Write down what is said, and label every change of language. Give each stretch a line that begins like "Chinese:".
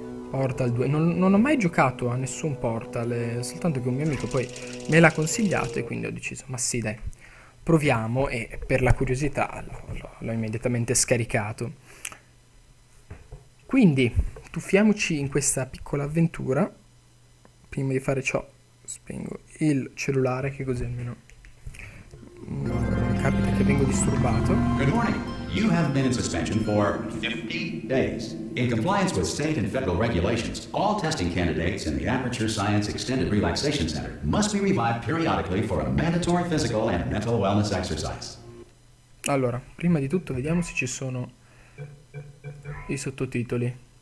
Italian: Portal 2, non ho mai giocato a nessun Portal, soltanto che un mio amico poi me l'ha consigliato e quindi ho deciso, ma sì dai, proviamo e per la curiosità l'ho immediatamente scaricato. Quindi, tuffiamoci in questa piccola avventura. Prima di fare ciò, spengo il cellulare, che così almeno capita che vengo disturbato.
English: Good morning. You have been in suspension for 50 days. In compliance with state and federal regulations, all testing candidates in the Aperture Science Extended Relaxation Center must be revived periodically for a mandatory physical and mental wellness exercise.
Italian: Allora, prima di tutto vediamo se ci sono i sottotitoli.